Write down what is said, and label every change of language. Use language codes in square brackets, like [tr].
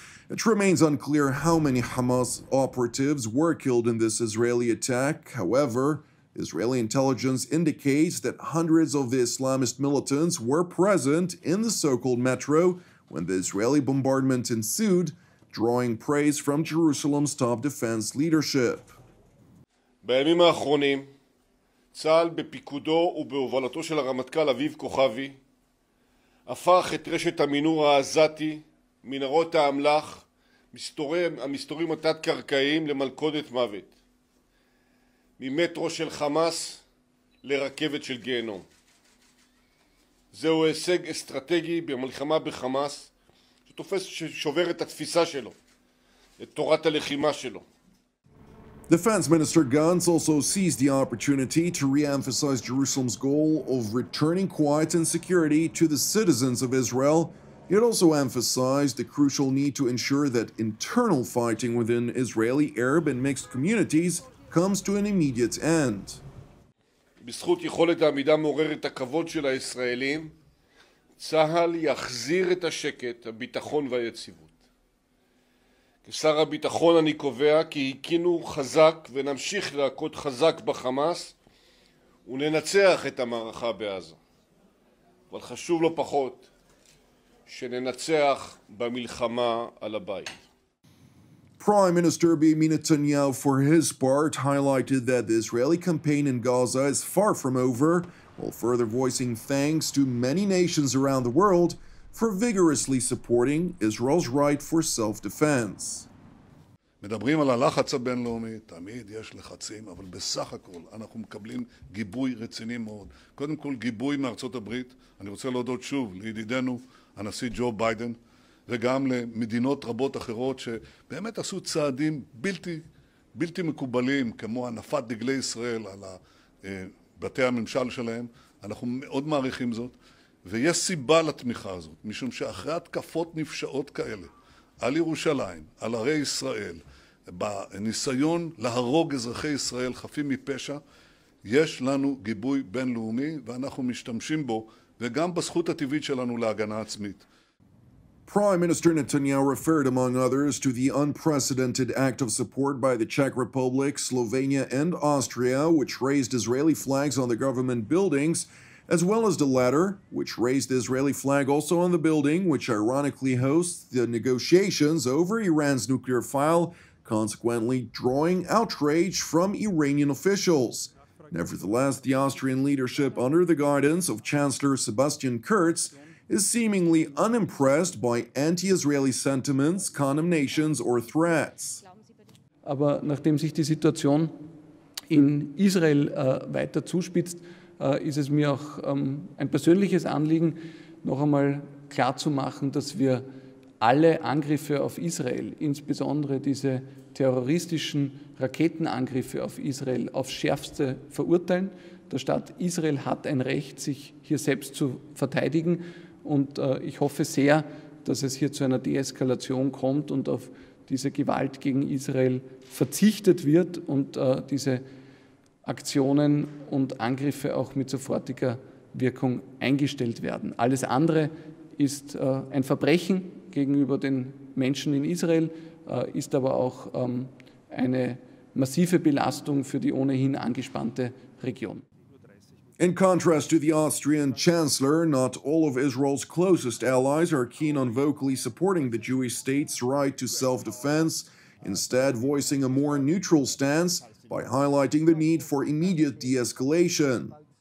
[en] It remains unclear how many Hamas operatives were killed in this Israeli attack. However, Israeli intelligence indicates that hundreds of the Islamist militants were present in the so-called metro when the Israeli bombardment ensued, drawing praise from Jerusalem's top defense leadership. [he] בימים האחרונים, צה"ל בפיקודו ובהובלתו של הרמטכ"ל אביב כוכבי הפך את רשת המנהור העזתי, מנהרות האמל"ח, המסתורים התת-קרקעיים למלכודת מוות, ממטרו של חמאס לרכבת של גיהנום. זהו הישג אסטרטגי במלחמה בחמאס, שתופס ששובר את התפיסה שלו, את תורת הלחימה שלו. [en] Defense Minister Gantz also seized the opportunity to re-emphasize Jerusalem's goal of returning quiet and security to the citizens of Israel. It also emphasized the crucial need to ensure that internal fighting within Israeli, Arab and mixed communities comes to an immediate end. [he] בזכות יכולת העמידה מעוררת הכבוד של הישראלים, צה"ל יחזיר את השקט, הביטחון והיציבות. כשר הביטחון אני קובע כי הקינו חזק ונמשיך להכות חזק בחמאס וננצח את המערכה בעזה. אבל חשוב לא פחות שננצח במלחמה על הבית. [en] Prime Minister Benjamin Netanyahu, for his part, highlighted that the Israeli campaign in Gaza is far from over, while further voicing thanks to many nations around the world for vigorously supporting Israel's right for self-defense. [he] מדברים על הלחץ הבינלאומי, תמיד יש לחצים, אבל בסך הכל אנחנו מקבלים גיבוי רציני מאוד. קודם כל גיבוי מארצות הברית, אני רוצה להודות שוב לידידנו הנשיא ג'ו ביידן, וגם למדינות רבות אחרות שבאמת עשו צעדים בלתי מקובלים, כמו הנפת דגלי ישראל על בתי הממשל שלהם, אנחנו מאוד מעריכים זאת. ויש סיבה לתמיכה הזאת, משום שאחרי התקפות נפשעות כאלה על ירושלים, על ערי ישראל, בניסיון להרוג אזרחי ישראל חפים מפשע, יש לנו גיבוי בינלאומי ואנחנו משתמשים בו, וגם בזכות הטבעית שלנו להגנה עצמית. [en] Prime Minister Netanyahu referred, among others, to the unprecedented act of support by the Czech Republic, Slovenia and Austria, which raised Israeli flags on the government buildings, as well as the latter, which raised the Israeli flag also on the building, which ironically hosts the negotiations over Iran's nuclear file, consequently drawing outrage from Iranian officials. Nevertheless, the Austrian leadership, under the guidance of Chancellor Sebastian Kurz, is seemingly unimpressed by anti-Israeli sentiments, condemnations or threats. [de] Aber nachdem sich die Situation in Israel weiter zuspitzt, ist es mir auch ein persönliches Anliegen, noch einmal klarzumachen, dass wir alle Angriffe auf Israel, insbesondere diese terroristischen Raketenangriffe auf Israel, aufs Schärfste verurteilen. Der Staat Israel hat ein Recht, sich hier selbst zu verteidigen. Und ich hoffe sehr, dass es hier zu einer Deeskalation kommt und auf diese Gewalt gegen Israel verzichtet wird und diese Aktionen und Angriffe auch mit sofortiger Wirkung eingestellt werden. Alles andere ist ein Verbrechen gegenüber den Menschen in Israel, ist aber auch eine massive Belastung für die ohnehin angespannte Region. [en] In contrast to the Austrian chancellor, not all of Israel's closest allies are keen on vocally supporting the Jewish state's right to self-defense, instead voicing a more neutral stance by highlighting the need for immediate de-escalation.